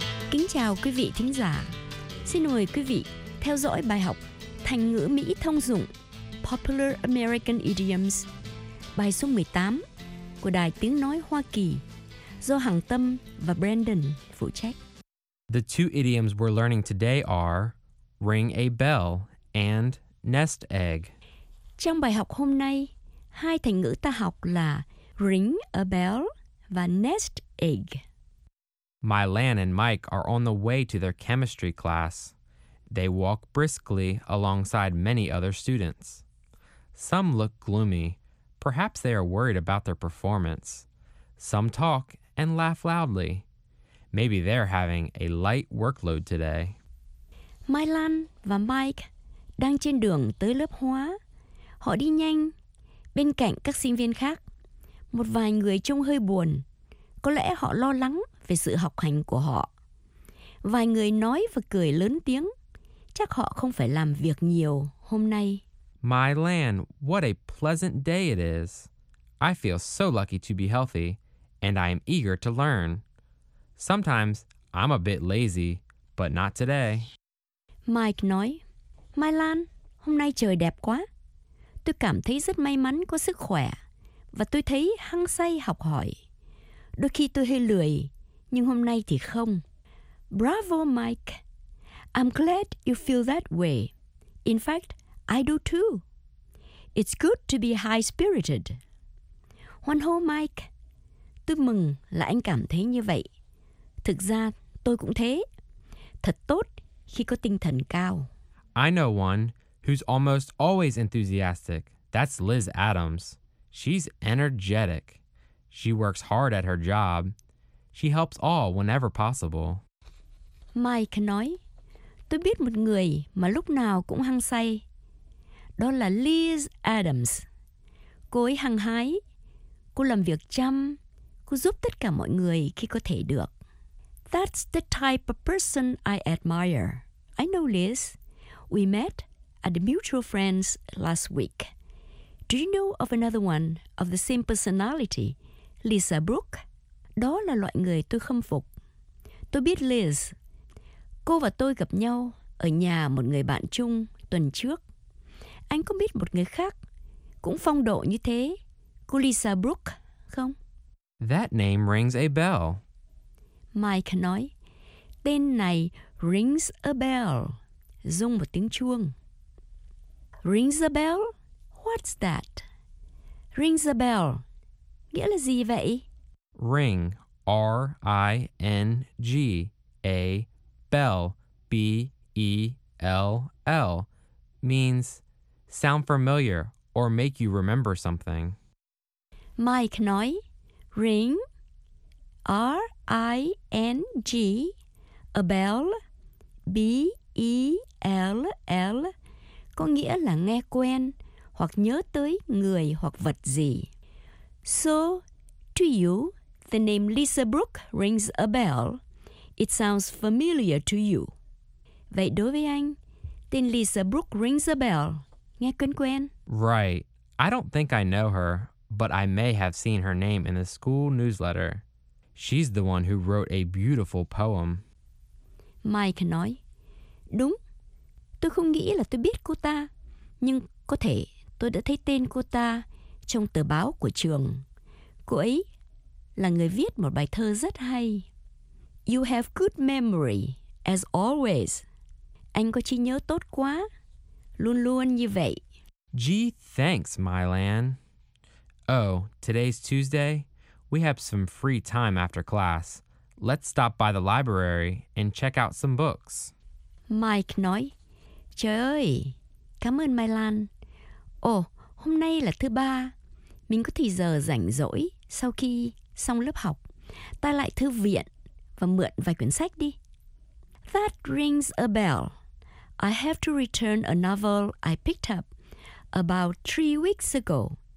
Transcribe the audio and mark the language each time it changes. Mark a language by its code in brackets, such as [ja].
[vi] Kính chào quý vị thính giả. Xin mời quý vị theo dõi bài học thành ngữ Mỹ thông dụng Popular American Idioms, bài số 18 của Đài Tiếng Nói Hoa Kỳ do Hằng Tâm và Brandon phụ trách. [en] The two idioms we're learning today are ring a bell and nest egg. [vi] Trong bài học hôm nay, hai thành ngữ ta học là ring a bell và nest egg. [en] Mylan and Mike are on the way to their chemistry class. They walk briskly alongside many other students. Some look gloomy. Perhaps they are worried about their performance. Some talk and laugh loudly. Maybe they're having a light workload today. [vi] Mylan và Mike đang trên đường tới lớp hóa. Họ đi nhanh, bên cạnh các sinh viên khác. Một vài người trông hơi buồn. Có lẽ họ lo lắng về sự học hành của họ. Vài người nói và cười lớn tiếng. Chắc họ không phải làm việc nhiều hôm nay. [en] Mylan, what a pleasant day it is. I feel so lucky to be healthy, and I am eager to learn. Sometimes I'm a bit lazy, but not today. [vi] Mike nói, Mylan, hôm nay trời đẹp quá. Tôi cảm thấy rất may mắn có sức khỏe, và tôi thấy hăng say học hỏi. Đôi khi tôi hơi lười, nhưng hôm nay thì không. [en] Bravo, Mike. I'm glad you feel that way. In fact, I do too. It's good to be high-spirited. [vi] Hoan hô Mike. Tôi mừng là anh cảm thấy như vậy. Thực ra tôi cũng thế. Thật tốt khi có tinh thần cao. [en] I know one who's almost always enthusiastic. That's Liz Adams. She's energetic. She works hard at her job. She helps all whenever possible. [vi] Mike nói, tôi biết một người mà lúc nào cũng hăng say. Đó là Liz Adams. Cô ấy hăng hái. Cô làm việc chăm. Cô giúp tất cả mọi người khi có thể được. [en] That's the type of person I admire. I know Liz. We met at the Mutual Friends last week. Do you know of another one of the same personality? Lisa Brooke. [vi] Đó là loại người tôi khâm phục. Tôi biết Liz. Cô và tôi gặp nhau ở nhà một người bạn chung tuần trước. Anh có biết một người khác cũng phong độ như thế, cô Lisa Brooke, không? [en] That name rings a bell. [vi] Mike nói, tên này rings a bell, rung một tiếng chuông. [en] Rings a bell? What's that? [vi] Rings a bell, nghĩa là gì vậy? [en] Ring, R-I-N-G, A, bell, B-E-L-L, means sound familiar or make you remember something. [vi] Mike nói, ring, R-I-N-G, a bell, B-E-L-L, có nghĩa là nghe quen hoặc nhớ tới người hoặc vật gì. [en] So, to you, the name Lisa Brooke rings a bell. It sounds familiar to you. [vi] Vậy đối với anh, tên Lisa Brooke rings a bell. Nghe quen quen. [en] Right. I don't think I know her, but I may have seen her name in the school newsletter. She's the one who wrote a beautiful poem. [vi] Mike nói, đúng. Tôi không nghĩ là tôi biết cô ta, nhưng có thể tôi đã thấy tên cô ta trong tờ báo của trường. Cô ấy là người viết một bài thơ rất hay. [en] You have good memory, as always. [vi] Anh có trí nhớ tốt quá. Luôn luôn như vậy. [en] Gee, thanks, Mylan. Oh, today's Tuesday? We have some free time after class. Let's stop by the library and check out some books. [vi] Mike nói, trời ơi, cảm ơn Mylan. Oh, hôm nay là thứ ba. Mình có thời giờ rảnh rỗi sau khi xong lớp học. Ta lại thư viện và mượn vài quyển sách đi. [en] That rings a bell. I have to return a novel I picked up about 3 weeks ago.